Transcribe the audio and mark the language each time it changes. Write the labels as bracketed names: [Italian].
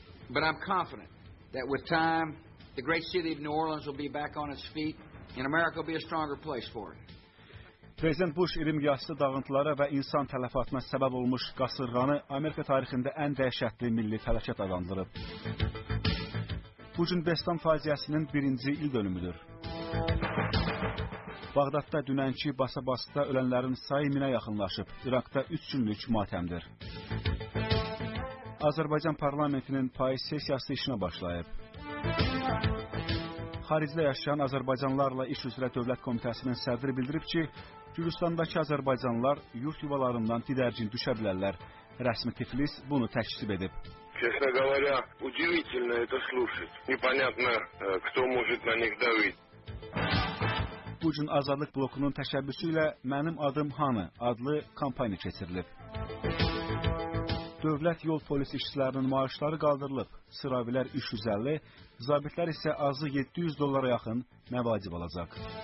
[English] But I'm confident that with time, the great city of New Orleans will be back on its feet and America will be a stronger place for it. [Azerbaijani] Prezident Bush irimgahsı dağıntılara və insan tələfatına səbəb olmuş qasırğanı Amerika tarixində ən dəhşətli milli fəlakət adlandırıb. Bu gün Destan faciəsinin birinci il dönümüdür. Bağdatda dünənki basa-basıda ölənlərin sayı minə yaxınlaşıb, İraqda 3 günlük matəmdir. Azərbaycan parlamentinin payız sesiyası işinə başlayıb. Xaricdə yaşayan azərbaycanlarla iş üzrə Dövlət Komitəsinin sədri bildirib ki, Gürcüstandakı azərbaycanlar yurt yuvalarından didərgin düşə bilərlər. Rəsmi Tiflis bunu təkzib edib. [Russian] Честно говоря, удивительно это слушать. Непонятно, кто может на них давить. [Azerbaijani] Bu gün Azadlıq blokunun təşəbbüsü ilə Mənim Adım Hanı adlı kampaniya keçirilib. Dövlət yol polis işçilərinin maaşları qaldırılıb. Sıravilər 350, zabitlər isə azı 700 dollara yaxın məvacib alacaq.